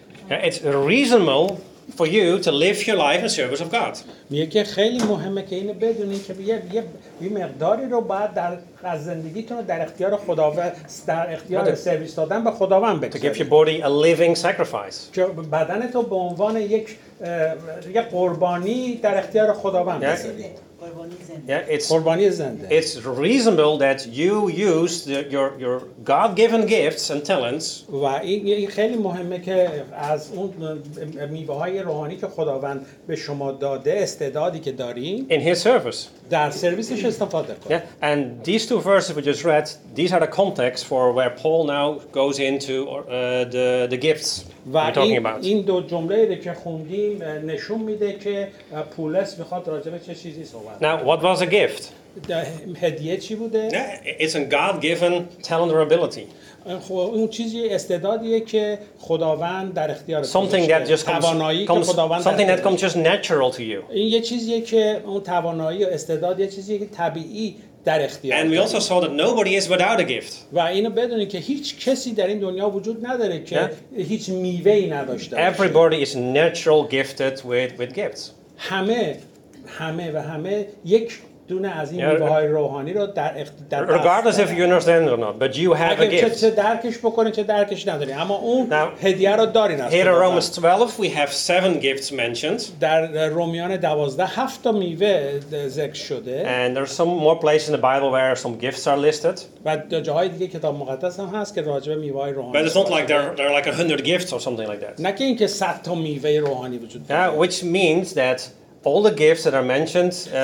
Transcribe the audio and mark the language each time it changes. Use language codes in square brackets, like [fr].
[en] It's reasonable for you to live your life in service of God. [fa] میگه خیلی مهمه که اینو بدونید که یه مقداری رو باید در از زندگیتون در اختیار خداوند در اختیار سرویس دادن به خداوند بذارید. [en] To give your body a living sacrifice. [fa] که بدنت رو به عنوان یک قربانی در اختیار خداوند بذارید. [en] Yeah, it's reasonable that you use your God-given gifts and talents. [fa] و این خیلی مهمه که از اون میوه‌های روحانی که خداوند به شما داده استعدادی که دارین [en] in his service. [fa] در سرویسش استفاده کنید. [en] Yeah, and these two verses we just read, these are the context for where Paul now goes into the gifts we're talking about. [fa] این دو جمله رو که خوندیم نشون میده که پولس میخواد راجع به چه چیزی صحبت. [en] Now, what was a gift? [fa] هدیه چی بوده؟ [en] It's a God-given talent or ability. [fa] اون چیزی استعدادیه که خداوند در اختیار تو [en] Something that just comes [fa] خداوند [en] Something that comes just natural to you. [fa] این یه چیزیه که اون توانایی و استعداد یه چیزیه که طبیعی در اختیار [en] And we also saw that nobody is without a gift. [fa] و اینو بدونید که هیچ کسی در این دنیا وجود نداره که هیچ میوه‌ای نداشته باشه. [en] Everybody is natural gifted with gifts. [fa] همه و همه یک دونه از این میوه‌های روحانی رو در اختیار دارید. [en] Regardless if you understand or not, but you have a gift. [fa] چه درکش بکنید چه درکش ندارید، اما اون هدیه رو دارین. [en] Here in Romans 12 we have 7 gifts mentioned. [fa] در رومیان 12 7 تا میوه ذکر شده. [en] And there are some more places in the Bible where some gifts are listed. [fa] و جاهای دیگه کتاب مقدس هم هست که راجع به میوه‌های روحانی. [en] But it's not like there are like 100 gifts or something like that. [fa] نه که اینکه 100 تا میوه روحانی وجود داره. [en] Which means that all the gifts that are mentioned